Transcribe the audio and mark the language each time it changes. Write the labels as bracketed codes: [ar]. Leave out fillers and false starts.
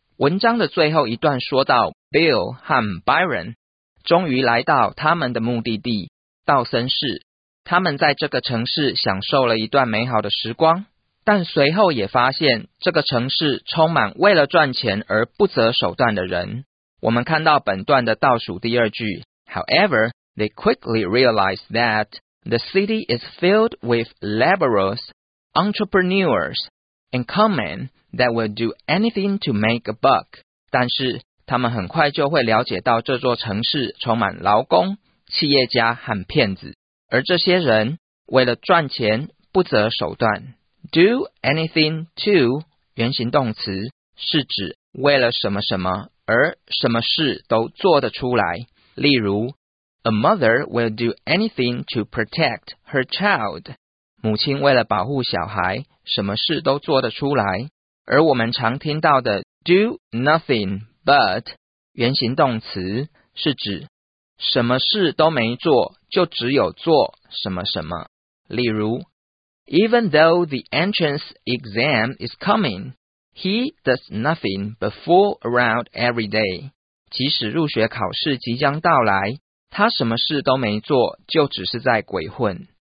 [zh] 文章的最后一段说到 Bill 和 Byron 终于来到他们的目的地道森市，他们在这个城市享受了一段美好的时光，但随后也发现这个城市充满为了赚钱而不择手段的人。我们看到本段的倒数第二句， [en] However, they quickly realized that the city is filled with laborers, entrepreneurs, and con men that will do anything to make a buck. [zh] 但是他们很快就会了解到这座城市充满劳工、企业家和骗子，而这些人为了赚钱不择手段。 [en] Do anything to [zh] 原形动词是指为了什么什么而什么事都做得出来，例如 [en] A mother will do anything to protect her child， [zh] 母亲为了保护小孩什么事都做得出来。而我们常听到的 [en] Do nothing but [zh] 原形动词是指什么事都没做，就只有做什么什么。 [en] 例如 Even though the entrance exam is coming, he does nothing but fool around every day. [zh] 即使入学考试即将到来，他什么事都没做，就只是在鬼混。